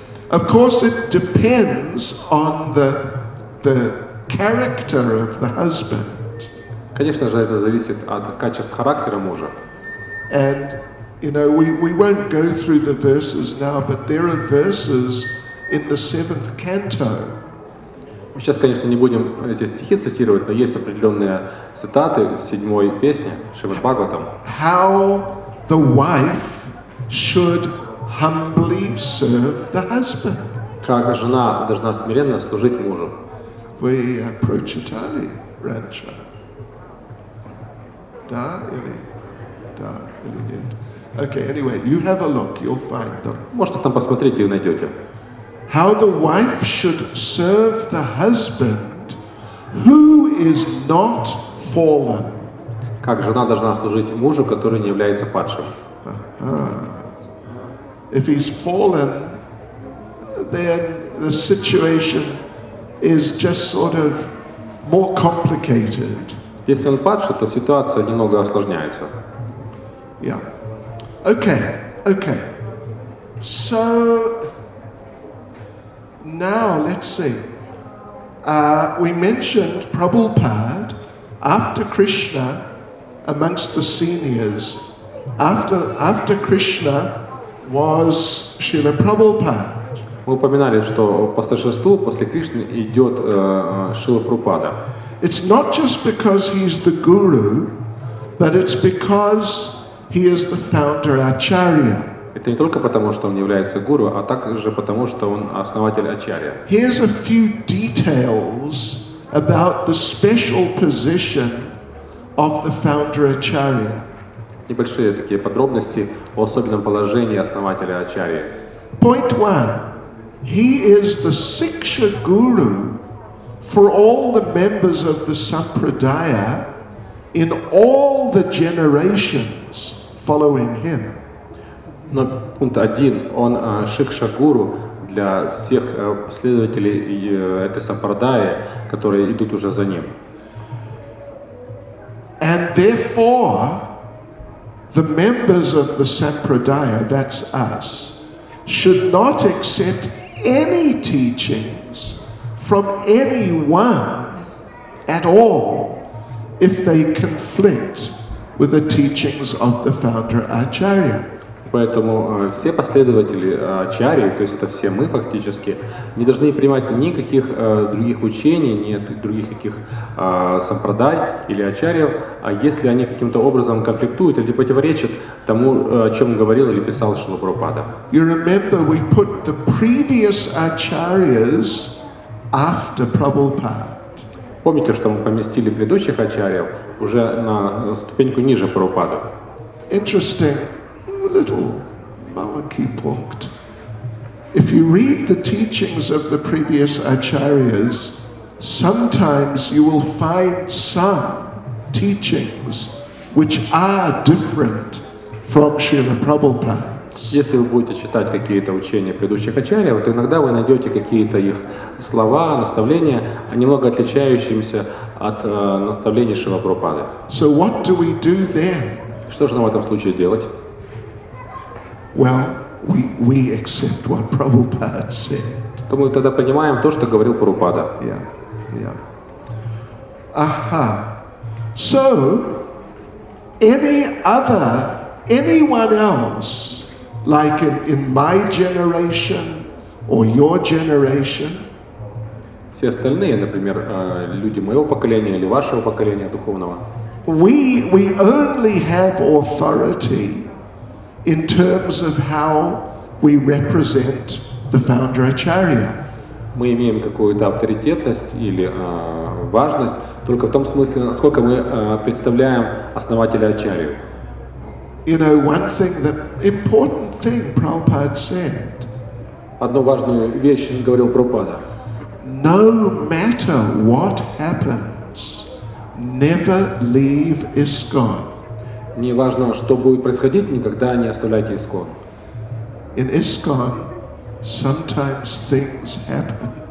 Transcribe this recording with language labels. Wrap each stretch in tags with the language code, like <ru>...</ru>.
<en>Of course, it depends on the character of the husband.</en> <ru>Конечно же, это зависит от качеств характера мужа.</ru> <en>And you know, we won't go through the verses now, but there are verses in the seventh canto.</en> <ru>Сейчас, конечно, не будем эти стихи цитировать, но есть определенные цитаты в седьмой песне Шримад Бхагаватам.</ru> <en>How the wife should humbly serve the husband.</en> <ru>Как жена должна смиренно служить мужу. Вы прочитали раньше? Да или нет?</ru> <en>Okay, anyway, you have a look, you'll find them.</en> <ru>Можете там посмотреть и найдете.</ru> <en>How the wife should serve the husband who is not fallen.</en> <ru>Как жена должна служить мужу, который не является падшим.</ru> <en>If he's fallen, then the situation is just sort of more complicated.</en> <ru>Если он падший, то ситуация немного осложняется.</ru> <en>Yeah. Okay. Okay. So now let's see. We mentioned Prabhupada after Krishna amongst the seniors. After Krishna was Srila Prabhupada.</en> <ru>Мы упоминали, что по старшинству после Кришны идет Шрила Прабхупада.</ru> <en>It's not just because he's the guru, but it's because he is the founder acharya.</en> <ru>Это не только потому, что он является гуру, а также потому, что он основатель ачарья.</ru> <en>Here's a few details about the special position of the founder acharya.</en> <ru>Небольшие такие подробности о особенном положении основателя ачарьи.</ru> <en>Point one. He is the siksha guru for all the members of the sampradaya in all the generations following him.</en> <ru>Но пункт один. Он шикша гуру для всех последователей этой сампрадаи, которые идут уже за ним.</ru> <en>And therefore the members of the sampradaya, that's us, should not accept any teachings from anyone at all if they conflict with the teachings of the founder acharya.</en> <ru>Поэтому все последователи ачарьи, то есть это все мы фактически, не должны принимать никаких других учений, нет других каких сампрадай или ачарьев, а если они каким-то образом конфликтуют или противоречат тому, о чем говорил или писал Шрила Прабхупада.</ru> <en>You remember we put the previous acharyas after Prabhupada.</en> <ru>Помните, что мы поместили предыдущих ачарьев уже на ступеньку ниже Прабхупады.</ru> <en>Interesting. Little monkey punct. If you read the teachings of the previous acharyas, sometimes you will find some teachings which are different from Srila Prabhupada's.</en> <ru>Если вы будете читать какие-то учения предыдущих ачарьев, то иногда вы найдете какие-то их слова, наставления, немного отличающиеся от наставлений Шрила Прабхупады.</ru> <en>So what do we do then?</en> <ru>Что же нам в этом случае делать?</ru> <en>Well, we accept what Prabhupada said.</en> <ru>То мы тогда понимаем то, что говорил Прабхупада.</ru> <en>Yeah, yeah. Aha. So, anyone else, like in my generation or your generation?</en> <ru>Все остальные, например, люди моего поколения или вашего поколения духовного.</ru> <en>We only have authority in terms of how we represent the founder acharya.</en> <ru>Мы имеем какую-то авторитетность или важность только в том смысле, насколько мы представляем основателя ачарью.</ru> <en>You know, one thing, the important thing Prabhupada said.</en> <ru>Одну важную вещь говорил Прабхупада.</ru> <en>No matter what happens, never leave ISKCON.</en> <ru>Не важно, что будет происходить, никогда не оставляйте ИСКОН.</ru> <en>In ISKCON, sometimes things happen.</en>